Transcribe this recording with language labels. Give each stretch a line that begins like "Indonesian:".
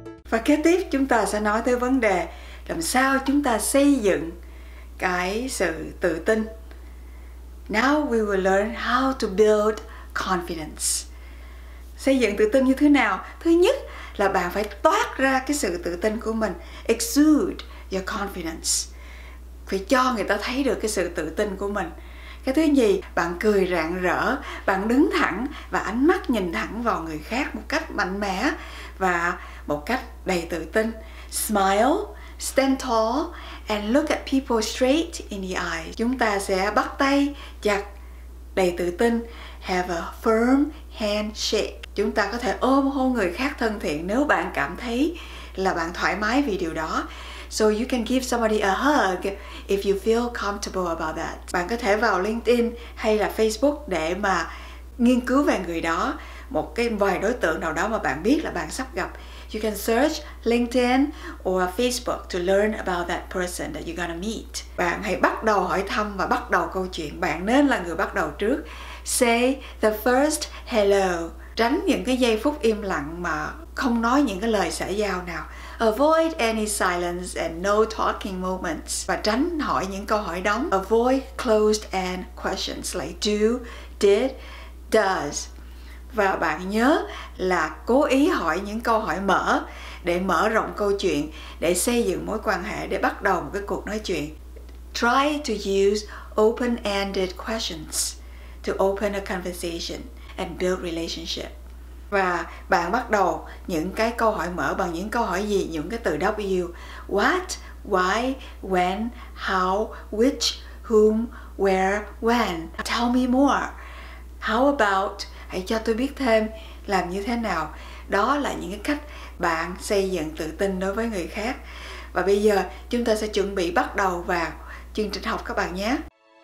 Vietnamese: Và kế tiếp chúng ta sẽ nói tới vấn đề làm sao chúng ta xây dựng cái sự tự tin.
English: Now we will learn how to build confidence.
Vietnamese: Xây dựng tự tin như thế nào? Thứ nhất là bạn phải toát ra cái sự tự tin của mình.
English: Exude your confidence.
Vietnamese: Phải cho người ta thấy được cái sự tự tin của mình. Cái thứ nhì, bạn cười rạng rỡ, bạn đứng thẳng và ánh mắt nhìn thẳng vào người khác một cách mạnh mẽ và một cách đầy tự tin.
English: Smile, stand tall and look at people straight in the eyes.
Vietnamese: Chúng ta sẽ bắt tay chặt đầy tự tin.
English: Have a firm handshake.
Vietnamese: Chúng ta có thể ôm hôn người khác thân thiện nếu bạn cảm thấy là bạn thoải mái vì điều đó.
English: So you can give somebody a hug if you feel comfortable about that.
Vietnamese: Bạn có thể vào LinkedIn hay là Facebook để mà nghiên cứu về người đó, một cái vài đối tượng nào đó mà bạn biết là bạn sắp gặp.
English: You can search LinkedIn or Facebook to learn about that person that you're gonna meet.
Vietnamese: Bạn hãy bắt đầu hỏi thăm và bắt đầu câu chuyện. Bạn nên là người bắt đầu trước.
English: Say the first hello.
Vietnamese: Tránh những cái giây phút im lặng mà không nói những cái lời xã giao nào.
English: Avoid any silence and no talking moments.
Vietnamese: Và tránh hỏi những câu hỏi đóng.
English: Avoid closed end questions like do, did, does.
Vietnamese: Và bạn nhớ là cố ý hỏi những câu hỏi mở để mở rộng câu chuyện, để xây dựng mối quan hệ, để bắt đầu một cái cuộc nói chuyện.
English: Try to use open-ended questions to open a conversation and build relationship.
Vietnamese: Và bạn bắt đầu những cái câu hỏi mở bằng những câu hỏi gì, những cái từ W.
English: What, why, when, how, which, whom, where, when. Tell me more. How about...
Vietnamese: Hãy cho tôi biết thêm làm như thế nào. Đó là những cái cách bạn xây dựng tự tin đối với người khác. Và bây giờ chúng ta sẽ chuẩn bị bắt đầu vào chương trình học các bạn nhé.